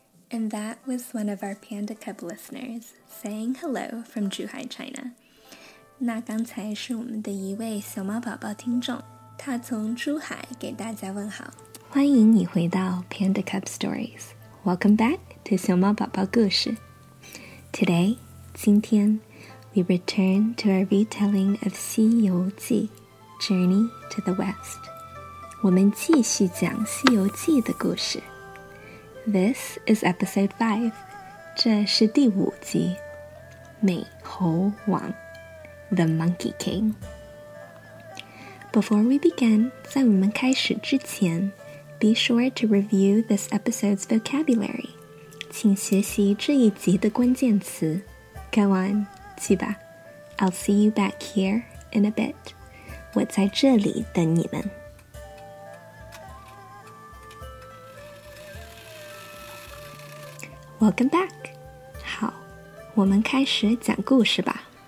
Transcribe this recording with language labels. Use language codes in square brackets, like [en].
[en] And that was one of our Panda Cub listeners saying hello from Zhuhai, China. [zh] 那刚才是我们的一位小马宝宝听众，他从珠海给大家问好。欢迎你回到 [en] Panda Cub Stories. Welcome back to 小马宝宝故事。 Today, [zh] 今天 [en] we return to our retelling of 西游记。 Journey to the West. [zh] 我们继续讲《西游记》的故事。 [en] This is episode 5. [zh] 这是第五集。 [en] 美猴王 The Monkey King. Before we begin, [zh] 在我们开始之前 [en] be sure to review this episode's vocabulary. [zh] 请学习这一集的关键词。 [en] Go on, [zh] 去吧。 [en] I'll see you back here in a bit. [zh] 我在这里等你们。 [en] Welcome back. [zh] 好，我们开始讲故事吧。